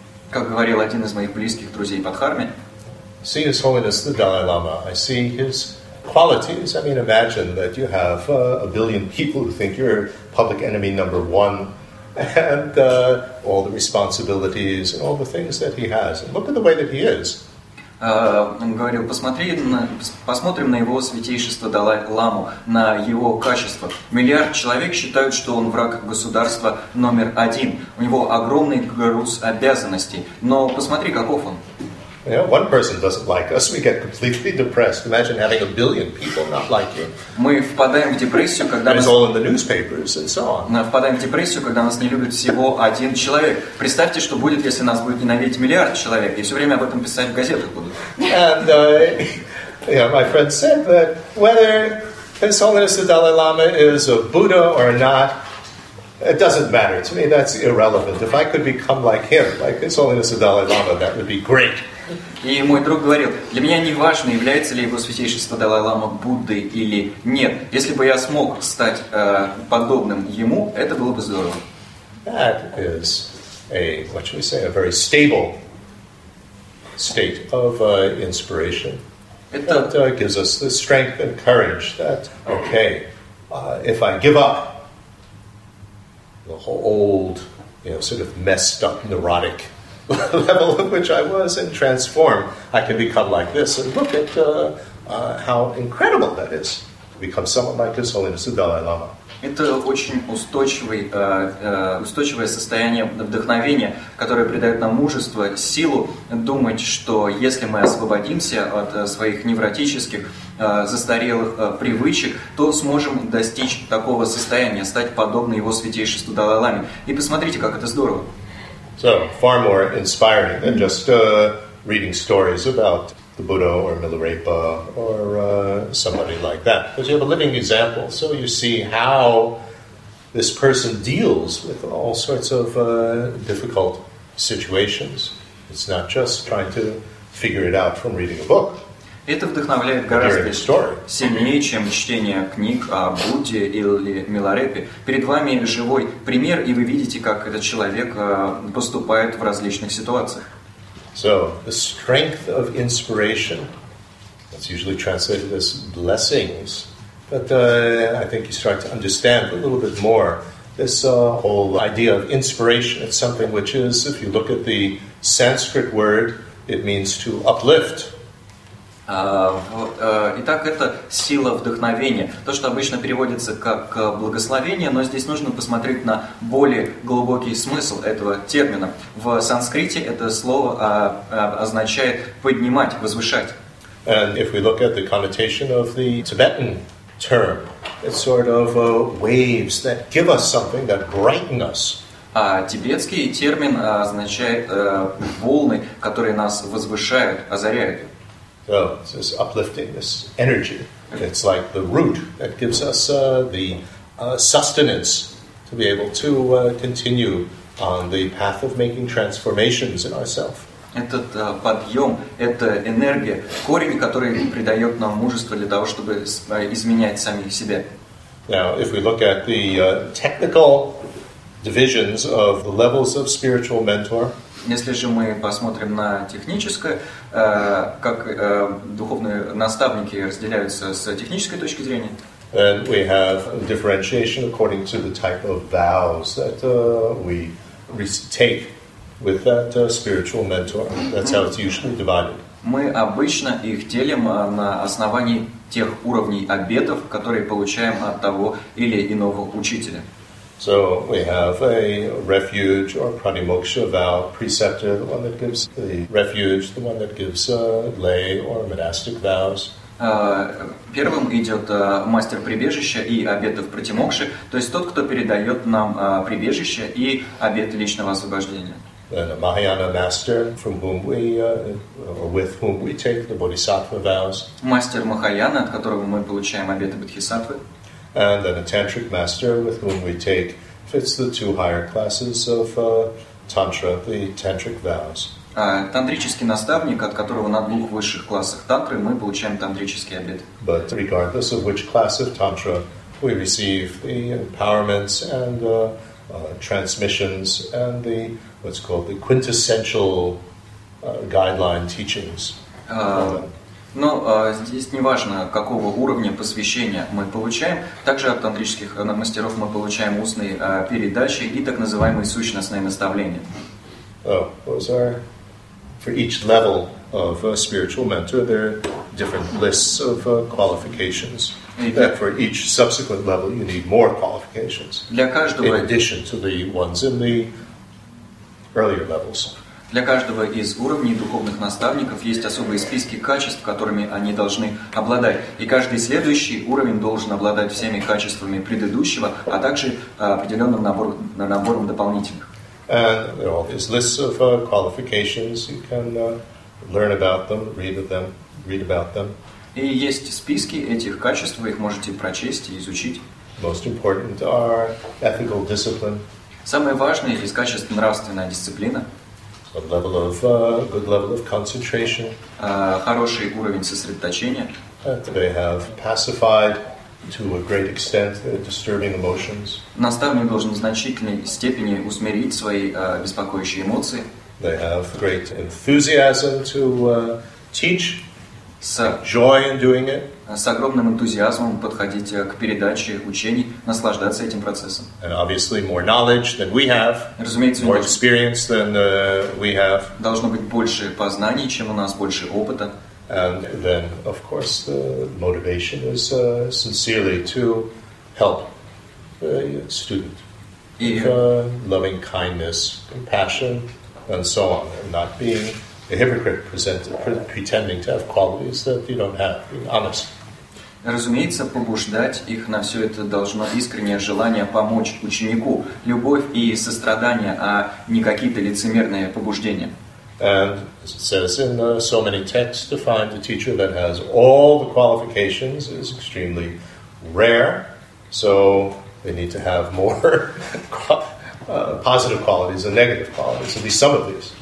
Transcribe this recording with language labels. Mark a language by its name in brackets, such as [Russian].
[Russian] как говорил один из моих близких друзей по Дхарме, [English] see His Holiness the Dalai Lama, I see His qualities. I mean, imagine that you have a billion people who think you're public enemy number one, and all the responsibilities and all the things that he has. And look at the way that he is. [Russian] Говорил, посмотрим на его святейшество Далай-ламу, на его качества. Миллиард человек считают, что он враг государства номер один. У него огромный груз обязанностей. Но посмотри, каков он. [English] You know, one person doesn't like us, we get completely depressed. Imagine having a billion people not like you. [Russian] Мы впадаем в депрессию, когда нас... [English] It's all in the newspapers and so on. [Russian] Впадаем в депрессию, когда нас не любит всего один человек. Представьте, что будет, если нас будет ненавидеть миллиард человек, и все время об этом писать в газетах будут. [English] And my friend said that whether His Holiness the Dalai Lama is a Buddha or not, it doesn't matter. To me, that's irrelevant. If I could become like him, like His Holiness the Dalai Lama, that would be great. [Russian] И мой друг говорил, для меня не важно, является ли его святейшество Далай-лама Буддой или нет. Если бы я смог стать подобным ему, это было бы здорово. [English] That is a, what should we say, a very stable state of inspiration. That gives us the strength and courage that, okay, if I give up the whole old, you know, sort of messed up neurotic level of which I was and transform. I can become like this and look at how incredible that is to become someone like His Holiness the Dalai Lama. [Russian] Это очень устойчивое состояние вдохновения, которое придает нам мужество, силу думать, что если мы освободимся от своих невротических, застарелых привычек, то сможем достичь такого состояния, стать подобным Его Святейшеству Далай-Ламе. И посмотрите, как это здорово. [English] So, far more inspiring than just reading stories about the Buddha or Milarepa or somebody like that. Because you have a living example, so you see how this person deals with all sorts of difficult situations. It's not just trying to figure it out from reading a book. [Russian] Это вдохновляет гораздо сильнее, чем чтение книг о Будде или Миларепе. Перед вами живой пример, и вы видите, как этот человек поступает в различных ситуациях. [English] So, the strength of inspiration, that's usually translated as blessings, but I think you start to understand a little bit more this whole idea of inspiration. It's something which is, if you look at the Sanskrit word, it means to uplift. [Russian] Итак, это сила вдохновения. То, что обычно переводится как благословение, но здесь нужно посмотреть на более глубокий смысл этого термина. В санскрите это слово означает поднимать, возвышать. [English] And if we look at the connotation of the Tibetan term, it's sort of waves that give us something, that brighten us. [Russian] А тибетский термин означает волны, которые нас возвышают, озаряют. [English] So it's this uplifting, this energy. It's like the root that gives us sustenance to be able to continue on the path of making transformations in ourselves. [Russian] Этот подъем, эта энергия, корень, который придает нам мужество для того, чтобы изменять самих себя. [English] Now, if we look at the technical divisions of the levels of spiritual mentor. [Russian] Если же мы посмотрим на техническое, как духовные наставники разделяются с технической точки зрения. [English] And we have differentiation according to the type of vows that we take with that spiritual mentor. That's how it's usually divided. [Russian] Мы обычно их делим на основании тех уровней обетов, которые получаем от того или иного учителя. [English] So we have a refuge or pranimoksha vow preceptor, the one that gives the refuge, the one that gives lay or monastic vows. [Russian] Первым идет мастер прибежища и обетов пратимокши, то есть тот, кто передает нам прибежище и обет личного освобождения. [English] Then a Mahayana master from whom we, or with whom we take the bodhisattva vows. [Russian] Мастер Махаяна, от которого мы получаем обеты бодхисаттвы. [English] And then a tantric master with whom we take, if it's the two higher classes of tantra, the tantric vows. [Russian] Тантрический наставник, от которого на двух высших классах тантры мы получаем тантрический обет. [English] But regardless of which class of tantra, we receive the empowerments and transmissions and the what's called the quintessential guideline teachings. [Russian] Но здесь не важно, какого уровня посвящения мы получаем. Также от тантрических мастеров мы получаем устные передачи и так называемые сущностные наставления. [English] Oh, those are for each level of spiritual mentor, there are different lists of qualifications. That for each subsequent level, you need more qualifications. [Russian] Для каждого. [English] In addition to the ones in the earlier levels. [Russian] Для каждого из уровней духовных наставников есть особые списки качеств, которыми они должны обладать. И каждый следующий уровень должен обладать всеми качествами предыдущего, а также определенным набором дополнительных. [English] And there are all these lists of qualifications. You can learn about them, read about them. [Russian] И есть списки этих качеств, вы их можете прочесть и изучить. [English] Most important are ethical discipline. [Russian] Самое важное из качеств – нравственная дисциплина. [English] A level of good level of concentration. [Russian] Хороший уровень сосредоточения. [English] They have pacified to a great extent their disturbing emotions. [Russian] Наставник должен в значительной степени усмирить свои беспокоящие эмоции. [English] They have great enthusiasm to teach. Joy in doing it. [Russian] с огромным энтузиазмом подходить к передаче учений, наслаждаться этим процессом. [English] And obviously more knowledge than we have, [Russian] разумеется, [English] more experience than we have. [Russian] Должно быть больше познаний, чем у нас, больше опыта. [English] And then, of course, the motivation is sincerely to help the student with loving kindness, compassion, and so on, and not being a hypocrite, pretending to have qualities that you don't have, being honest. [Russian] Разумеется, побуждать их на все это должно искреннее желание помочь ученику, любовь и сострадание, а не какие-то лицемерные побуждения. [English] And as it says in so many texts, to find a teacher that has all the qualifications is extremely rare. So they need to have more positive qualities and negative qualities, at least some of these.